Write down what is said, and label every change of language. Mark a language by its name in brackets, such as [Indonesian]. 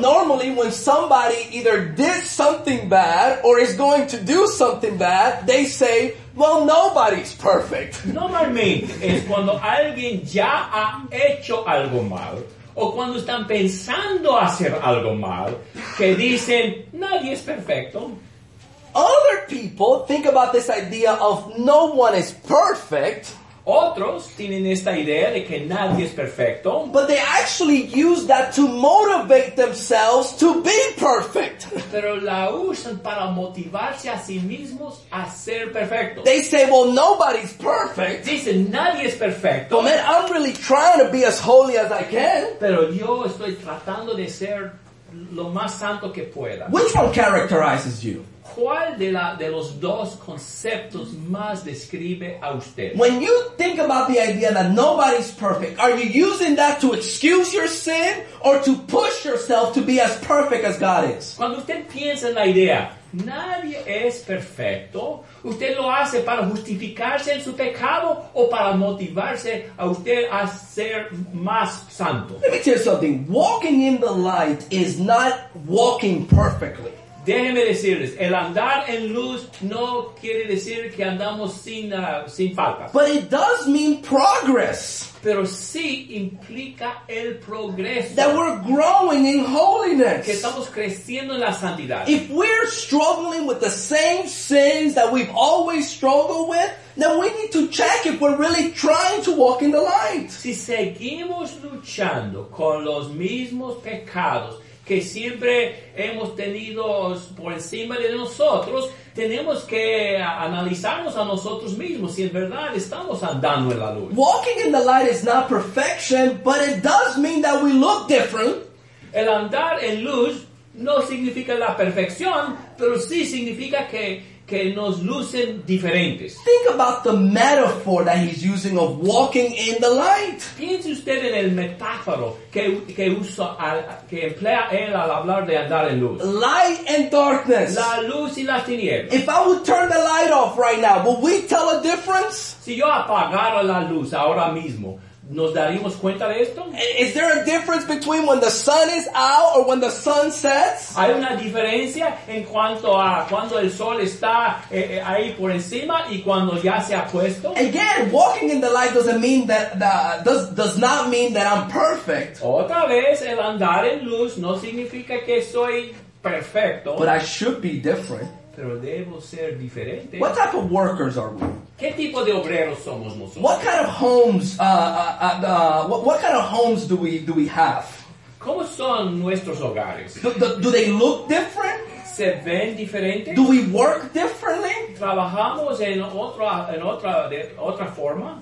[English] Normally, when somebody either did something bad, or is going to do something bad, they say, well, nobody's perfect. [Spanish] Normalmente, es cuando alguien ya ha hecho algo mal, o cuando están pensando hacer algo mal, que dicen, nadie es perfecto. [English] Other people think about this idea of no one is perfect. [Spanish] Otros tienen esta idea de que nadie es perfecto. [English] But they actually use that to motivate themselves to be perfect. [Spanish] Pero la usan para motivarse a sí mismos a ser perfectos. [English] They say, well, nobody's perfect. [Spanish] Dicen, nadie es perfecto. [English] But man, I'm really trying to be as holy as I can. [Spanish] Pero yo estoy tratando de ser lo más santo que pueda. [English] Which one characterizes you? [Spanish] ¿Cuál de los dos conceptos más describe a usted? [English] When you think about the idea that nobody's perfect, are you using that to excuse your sin or to push yourself to be as perfect as God is? [Spanish] Cuando usted piensa en la idea, nadie es perfecto, ¿usted lo hace para justificarse en su pecado o para motivarse a usted a ser más santo? [English] Let me tell you something. Walking in the light is not walking perfectly. [Spanish] Déjenme decirles, el andar en luz no quiere decir que andamos sin, sin faltas. [English] But it does mean progress. [Spanish] Pero sí implica el progreso. [English] That we're growing in holiness. [Spanish] Que estamos creciendo en la santidad. [English] If we're struggling with the same sins that we've always struggled with, then we need to check if we're really trying to walk in the light. [Spanish] Si seguimos luchando con los mismos pecados que siempre hemos tenido por encima de nosotros, tenemos que analizarnos a nosotros mismos si en verdad estamos andando en la luz. [English] Walking in the light is not perfection, but it does mean that we look different. [Spanish] El andar en luz no significa la perfección, pero sí significa que nos lucen diferentes. [English] Think about the metaphor that he's using of walking in the light. [Spanish] Piense usted en el metáforo que usa al, que emplea él al hablar de andar en luz. [English] Light and darkness. [Spanish] La luz y las tinieblas. [English] If I would turn the light off right now, would we tell a difference? [Spanish] Si yo apagara la luz ahora mismo, ¿nos daríamos cuenta de esto? [English] Is there a difference between when the sun is out or when the sun sets? [Spanish] ¿Hay una diferencia en cuanto a cuando el sol está ahí por encima y cuando ya se ha puesto? [English] Again, walking in the light doesn't mean that does not mean that I'm perfect. [Spanish] Otra vez, el andar en luz no significa que soy perfecto. [English] But I should be different. [Spanish] Pero debo ser diferente. [English] What type of workers are we? [Spanish] ¿Qué tipo de obreros somos nosotros? [English] What kind of homes what kind of homes do we have? [Spanish] ¿Cómo son nuestros hogares? [English] Do they look different? [Spanish] ¿Se ven diferente? [English] Do we work differently? [Spanish] ¿Trabajamos en otra forma?